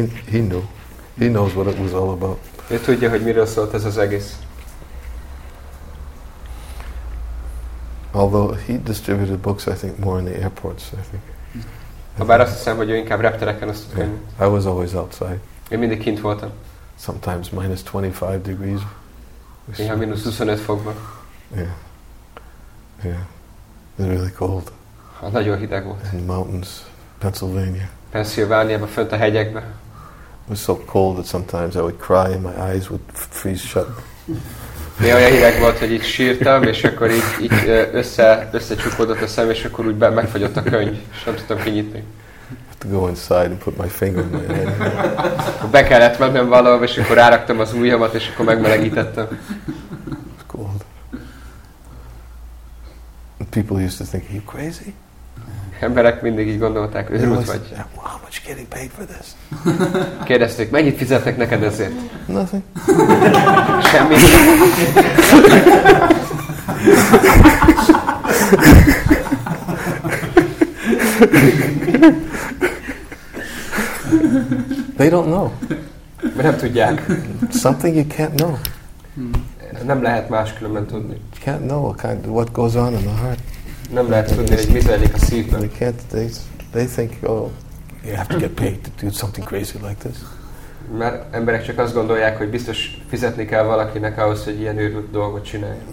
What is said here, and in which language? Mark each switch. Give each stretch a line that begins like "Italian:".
English: He knows what it was all about.
Hungarian: Ő tudja, hogy miről szólt ez az egész.
English: Although he distributed books, I think, more in the airports, I think.
Hungarian: Habár azt hiszem, hogy ő inkább reptereken azt tudja.
English: I was always outside.
Hungarian: Én mindig kint voltam.
English: Sometimes minus 25 degrees.
Hungarian: Néha minusz 25 fokban.
English: Yeah. Yeah. It's really cold.
Hungarian: Nagyon hideg volt.
English: In the mountains, Pennsylvania.
Hungarian: Pennsylvania-ban, fönt a hegyekben.
English: It was so cold that sometimes I would cry and my eyes would freeze shut.
Hungarian: Néha olyan hideg volt, hogy így sírtam, és akkor így összecsukódott a szem, és akkor úgy megfagyott a könyv, és nem tudtam kinyitni.
English: To go inside and put my finger in my head.
Hungarian: Be kellett mennem valahol, és akkor ráraktam az ujjamat, és akkor megmelegítettem.
English: It's cold. People used to think, are you crazy?
Hungarian: Emberek mindig így gondolták, őrült vagy.
English: How much getting paid for this?
Hungarian: Kérdezték, mennyit fizetnek neked ezért?
English: Nothing.
Hungarian: Semmi.
English: They don't know.
Hungarian: Mert nem tudják.
English: Something you can't know.
Hungarian: Nem lehet máskülönben tudni.
English: You can't know what, kind of what goes on in the heart.
Hungarian: Nem lehet tudni, hogy mi zajlik a szívben.
English: They think, oh, you have to get paid to do something crazy like this.
Hungarian: Mert emberek csak azt gondolják, hogy biztos fizetni kell valakinek ahhoz, hogy ilyen őrült dolgot csináljon.